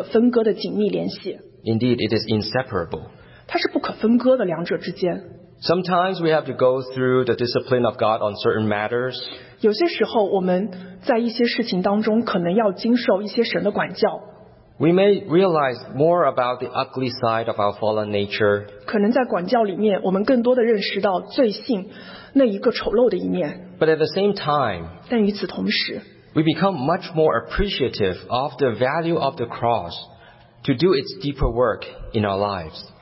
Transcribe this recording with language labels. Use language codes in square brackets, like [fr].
[zh] 大卫终于最终地认识到耶和华神的殿和献燔祭的坛之间是有不可分割的紧密联系。 [en] Indeed, it is inseparable. [zh] 它是不可分割的两者之间。 [en] Sometimes we have to go through the discipline of God on certain matters. [zh] 有些时候我们在一些事情当中可能要经受一些神的管教。 [en] We may realize more about the ugly side of our fallen nature. [zh] 可能在管教里面我们更多地认识到罪性 [en] But at the same time, [zh] 但与此同时, [en] we become much more appreciative of the value of the cross to do its deeper work in our lives.